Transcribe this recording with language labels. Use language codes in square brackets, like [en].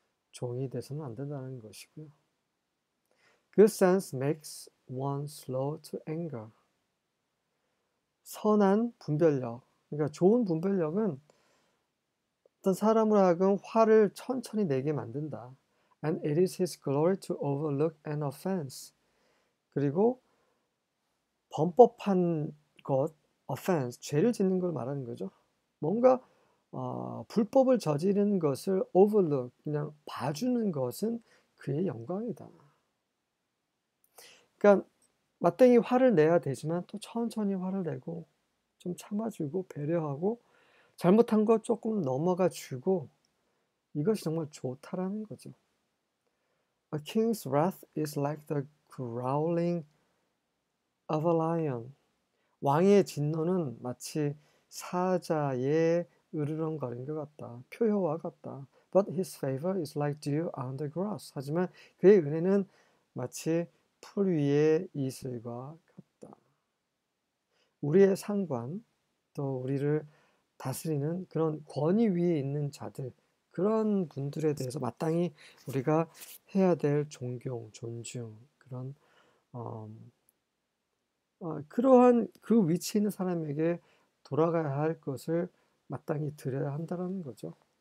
[ko] 종이 돼서는 안 된다는 것이고요. [en] Good sense makes one slow to anger. [ko] 선한 분별력, 그러니까 좋은 분별력은 어떤 사람으로 하여금 화를 천천히 내게 만든다. [en] And it is his glory to overlook an offense. [ko] 그리고 범법한 것, offense, 죄를 짓는 걸 말하는 거죠. 뭔가 불법을 저지르는 것을 overlook, 그냥 봐주는 것은 그의 영광이다. 그러니까 마땅히 화를 내야 되지만 또 천천히 화를 내고 좀 참아주고 배려하고 잘못한 거 조금 넘어가 주고 이것이 정말 좋다라는 거죠. [en] A king's wrath is like the growling of a lion. [ko] 왕의 진노는 마치 사자의 으르렁거리는 것 같다. 표효와 같다. [en] But his favor is like dew on the grass. [ko] 하지만 그의 은혜는 마치 풀 위의 이슬과 같다. 우리의 상관, 또 우리를 다스리는 그런 권위 위에 있는 자들, 그런 분들에 대해서 마땅히 우리가 해야 될 존경, 존중, 그런 그러한 그 위치에 있는 사람에게 돌아가야 할 것을 마땅히 드려야 한다는 거죠.